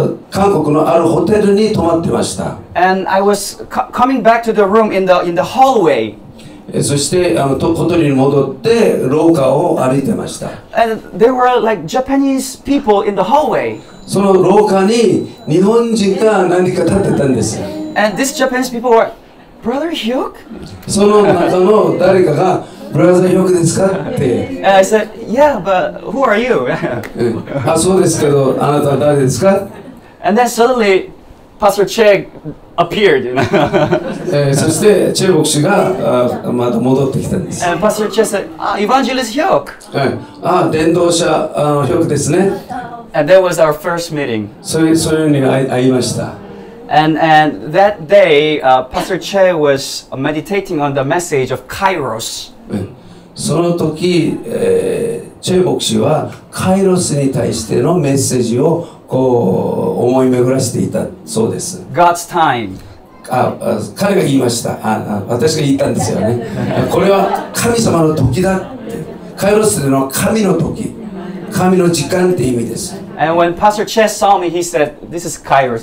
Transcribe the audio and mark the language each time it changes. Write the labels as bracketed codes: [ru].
[ja] 韓国のあるホテルに泊まってました。 [en] And I was coming back to the room in the hallway. [ja] そして、ホテルに戻って廊下を歩いてました。 [en] And there were like Japanese people in the hallway. [ja] その廊下に日本人が何か立ってたんです。 [en] And these Japanese people were, Brother Hyuk? [ja] その中の誰かが、 Brother Hyuk ですか?って。 [en] And I said, yeah, but who are you? [ja] あ、そうですけど、あなたは誰ですか? [en] And then suddenly, Pastor Che appeared. [ja] そしてチェ牧師がまた戻ってきたんです。 [en] And Pastor Che said, ah, Evangelist Hyuk. [ja] あ、伝道者ヒョクですね。 [en] And that was our first meeting. [ja] そういうふうに会いました。 [en] And that day, Pastor Che was meditating on the message of Kairos. [ko] 그때 최 목사가 카이로스에 대해서 메시지를 생각하고 있었습니다. [en] God's time. [ko] 그가 말했다. 제가 말했죠. 이것은 하나님의 시간이다. 카이로스는 하나님의 시간, 하나님의 시간이라는 뜻입니다. [en] And when Pastor Che saw me, he said, "This is Kairos.